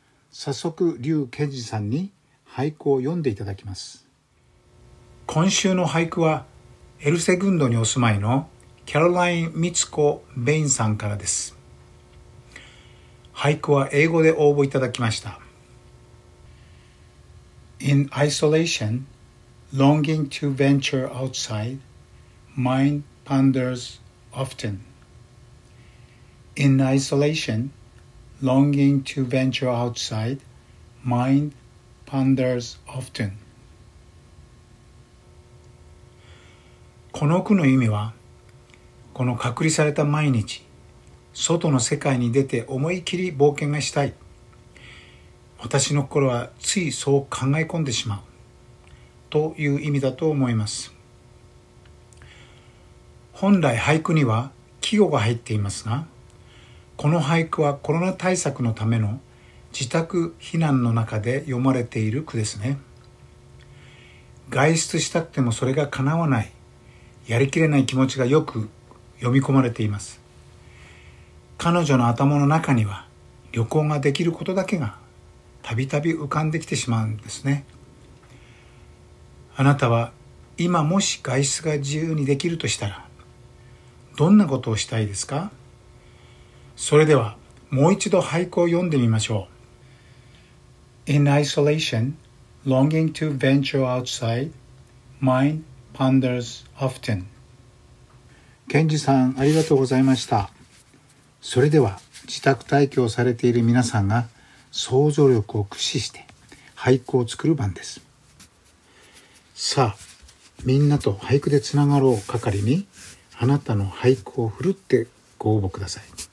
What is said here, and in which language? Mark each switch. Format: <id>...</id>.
<ja>早速、劉賢治さんに俳句を読んでいただきます。今週の俳句は、エルセグンドにお住まいのキャロライン・ミツコ・ベインさんからです。俳句は英語で応募いただきました。</ja> <en>In isolation, longing to venture outside,Mind ponders often. In isolation, longing to venture outside, mind ponders often.</en> <ja>この句の意味は、この隔離された毎日、外の世界に出て思い切り冒険がしたい。私の心はついそう考え込んでしまう。という意味だと思います。本来俳句には季語が入っていますが、この俳句はコロナ対策のための自宅避難の中で読まれている句ですね。外出したくてもそれが叶わない、やりきれない気持ちがよく読み込まれています。彼女の頭の中には旅行ができることだけがたびたび浮かんできてしまうんですね。あなたは今もし外出が自由にできるとしたら、どんなことをしたいですか？それではもう一度俳句を読んでみましょう。</ja> <en>In isolation, longing to venture outside, mind ponders often.</en> <ja>賢治さん、ありがとうございました。それでは自宅待機をされている皆さんが想像力を駆使して俳句を作る番です。さあ、みんなと俳句でつながろう係に、あなたの俳句をふるってご応募ください。</ja>